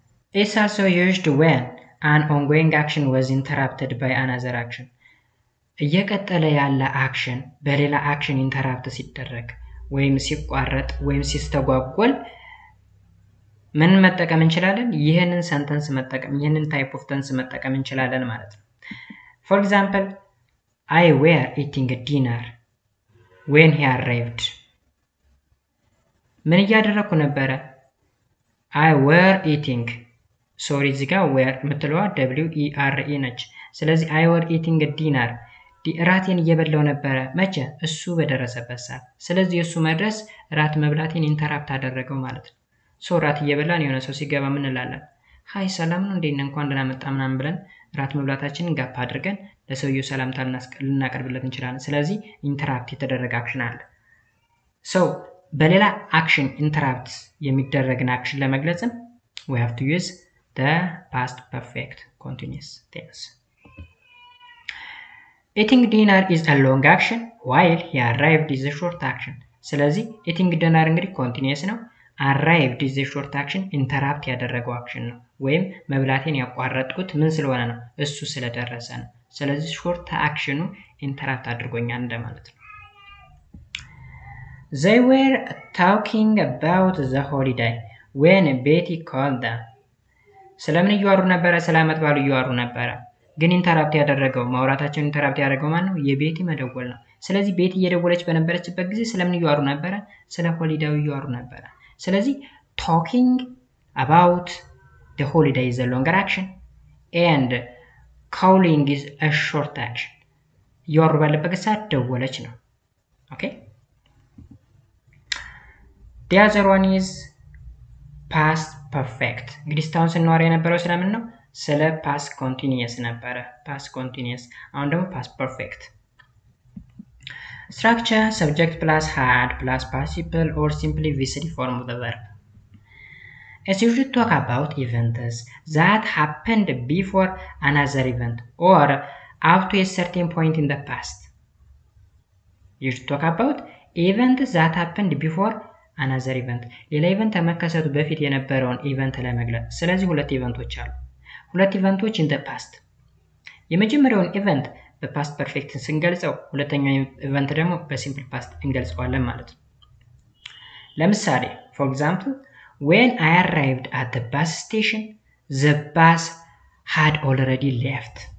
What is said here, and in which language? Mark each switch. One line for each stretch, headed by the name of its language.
English: is also used when an ongoing action was interrupted by another action.
Amharic: እየቀጠለ ያለ action በሌላ action interrupt ሲደረግ ወይም ሲቋረጥ ወይም ሲስተጓጎል ምን መጠቀም እንችላለን? ይሄንን sentence መጠቀም ይሄንን type of tense መጠቀም እንችላለን ማለት ነው።
English: For example, I were eating dinner when he arrived.
Amharic: ምን ያደረኩ ነበር?
English: I were eating.
Amharic: Sorry, እዚህ ጋር were ምትለዋ W E R E ነች። ስለዚህ I were eating dinner. እራቴን እየበላሁ ነበር መቼ? እሱ በደረሰበት ሰዓት። ስለዚህ እሱ መድረስ እራት መብላቴን ኢንተራፕት አደረገው ማለት ነው። ሶ እራት እየበላን የሆነ ሰው ሲገባ ምን እንላለን? ሃይ ሰላም ነው እንዴ? እንኳን ደህና መጣ ምናምን ብለን እራት መብላታችንን ጋፕ አድርገን ለሰውየው ሰላምታ ልናቀርብለት እንችላለን። ስለዚህ ኢንተራፕት የተደረገ አክሽን አለ። ሶ በሌላ አክሽን ኢንተራፕት የሚደረግን አክሽን ለመግለጽም
English: we have to use the past perfect continuous tense. Eating dinner is a long action while he arrived is a short action.
Amharic: ስለዚህ eating dinner እንግዲህ continuous ነው, arrived is a short action, interrupt ያደረገው action ነው. ወይም መብላቴን ያቋረጥኩት ምን ስለሆነ ነው? እሱ ስለደረሰ ነው. ስለዚህ short actionው interrupt አድርጎኛል እንደማለት ነው.
English: They were talking about the holiday when Betty called them.
Amharic: ስለምን ይያሩ ነበር? ሰላመት ባሉ ይያሩ ነበር? ግን ኢንተራፕት ያደረገው ማውራታቸው ኢንተራፕት ያደረገው ማን ነው? የቤቲ መደወል ነው። ስለዚህ ቤቲ እየደወለች በነበረችበት ጊዜ ስለምን ይያሩ ነበር? ስለ ሆሊዴው ይያሩ ነበር። ስለዚህ
English: talking about the holiday is a longer action and calling is a short action.
Amharic: ይያሩ ባለበት ሰዓት ደወለች ነው። ኦኬ?
English: The other one is past perfect.
Amharic: እንግዲህ ስታውን ስንወራ የነበረው ስለምን ነው? ስለ past continuous ነበረ። past continuous አሁን ደግሞ past perfect.
English: structure subject plus had plus participle or simply visible form of the verb. as you should talk about events that happened before another event or up to a certain point in the past. you should talk about events that happened before another event.
Amharic: ሌላ ኢቨንት ተመከሰቱ በፊት የነበረውን ኢቨንት ለመግለጽ። ስለዚህ ሁለት ኢቨንቶች አሉ። ሁለት ኢቨንቶች in the past. የመጀመሪያውን ኢቨንት በpast perfect እንገልጸው፣ ሁለተኛው ኢቨንት ደግሞ በsimple past እንገልጸዋለን ማለት ነው። ለምሳሌ
English: for example when I arrived at the bus station the bus had already left.